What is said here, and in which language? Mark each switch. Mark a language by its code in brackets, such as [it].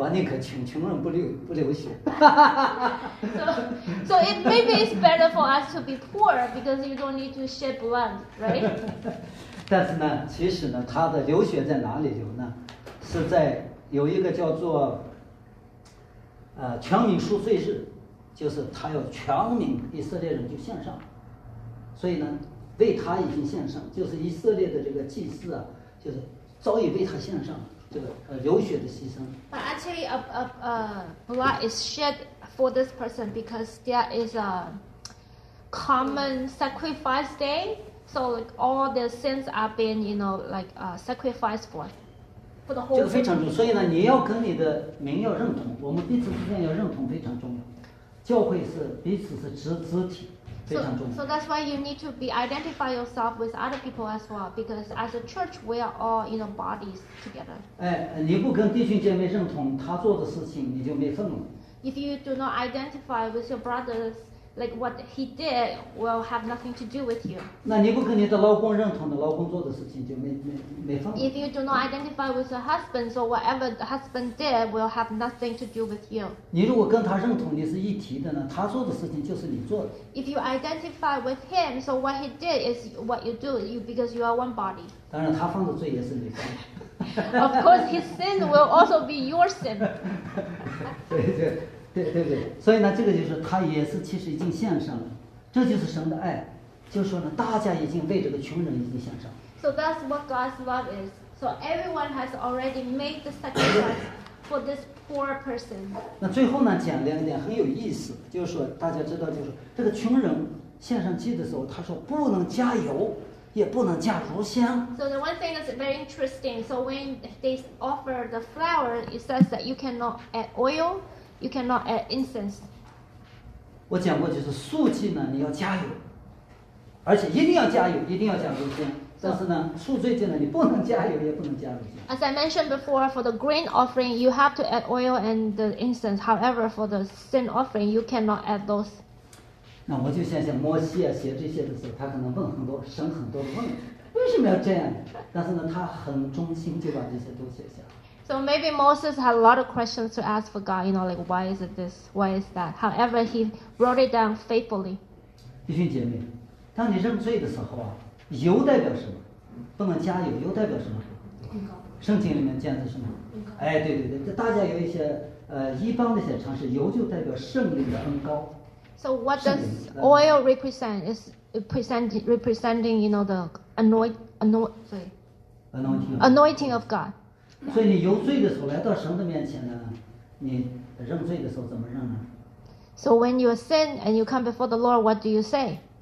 [en] Bleed for the sin. So it maybe it's better for us to be poor because you don't need to shed blood, right? [zh] 但是呢，其实呢，他的流血在哪里流呢？是在有一个叫做权柄赎罪日，就是他要权柄以色列人就献上，所以呢，为他已经献上，就是以色列的这个祭司啊。就是早已为他献上这个流血的牺牲。 [en] But actually, blood is shed for this person because there is a common sacrifice day. So like all the sins are being, you know, like sacrificed for the whole. [zh] 这个非常重要。所以呢，你要跟你的民要认同，我们彼此之间要认同非常重要。教会是彼此是肢体。 [en] So that's why you need to be identify yourself with other people as well, because as a church, we are all, you know, bodies together. [zh] 哎，你不跟弟兄姐妹认同他做的事情，你就没份了。 [en] If you do not identify with your brothers, like what he did, will have nothing to do with you. [zh] 那你不跟你的老公认同的老公做的事情，就没份了。 [en] If you do not identify with your husband, so whatever the husband did will have nothing to do with you. [zh] 你如果跟他认同，你是一体的呢，他做的事情就是你做的。 [en] If you identify with him, so what he did is what you do, because you are one body. [zh] 当然，他犯的罪也是你犯的。 [en] Of course, his sin will also be your sin. [zh] 对，所以呢，这个就是他也是其实已经献上了，这就是神的爱，就是说呢，大家已经为这个穷人已经献上。 [en] So that's what God's love is. So everyone has already made the sacrifice for this poor person. [zh] 那最后呢，讲了一点很有意思，就是说大家知道，就是这个穷人献上祭的时候，他说不能加油，也不能加乳香。 [en] So the one thing that's very interesting. So when they offer the flower, it says that you cannot add oil. You cannot add incense. [zh] 我讲过，就是素祭呢，你要加油，而且一定要加油，一定要加乳香。但是呢，赎罪祭呢，你不能加油，也不能加乳香。 [en] As I mentioned before, for the grain offering, you have to add oil and the incense. However, for the sin offering, you cannot add those. [zh] 那我就想想，摩西啊，写这些的时候，他可能问很多神很多的问题，为什么要这样？但是呢，他很忠心，就把这些都写下。 [en] So maybe Moses had a lot of questions to ask for God, you know, like, why is it this? Why is that? However, he wrote it down faithfully. [zh] 弟兄姐妹，当你认罪的时候啊，油代表什么？不能加油，油代表什么？圣经里面讲的是什么？哎，对，大家有一些一般的一些常识，油就代表圣灵的恩膏。 [en] So what does oil represent? Is representing, you know, the anointing of God. [zh] 所以你有罪的时候来到神的面前呢，你认罪的时候怎么认呢？ [en] So when you sin and you come before the Lord, what do you say?